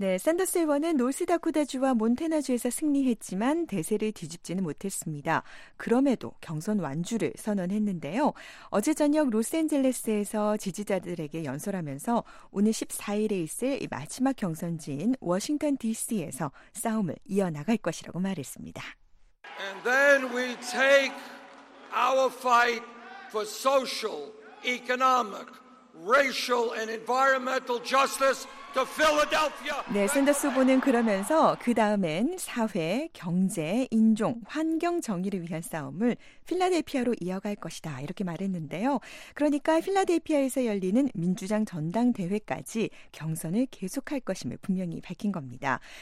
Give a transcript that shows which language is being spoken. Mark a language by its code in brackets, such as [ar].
[ko] 네, 샌더스 의원은 노스다코다주와 몬태나주에서 승리했지만 대세를 뒤집지는 못했습니다. 그럼에도 경선 완주를 선언했는데요. 어제 저녁 로스앤젤레스에서 지지자들에게 연설하면서 오늘 14일에 있을 마지막 경선지인 워싱턴 DC에서 싸움을 이어나갈 것이라고 말했습니다. [en] And then we take our fight for social, economic, racial and environmental justice. [ko] 네, 샌더스 후보는 그러면서 그 다음엔 사회, 경제, 인종, 환경 정의를 위한 싸움을 필라델피아로 이어갈 것이다 이렇게 말했는데요. 그러니까 필라델피아에서 열리는 민주당 전당대회까지 경선을 계속할 것임을 분명히 밝힌 겁니다.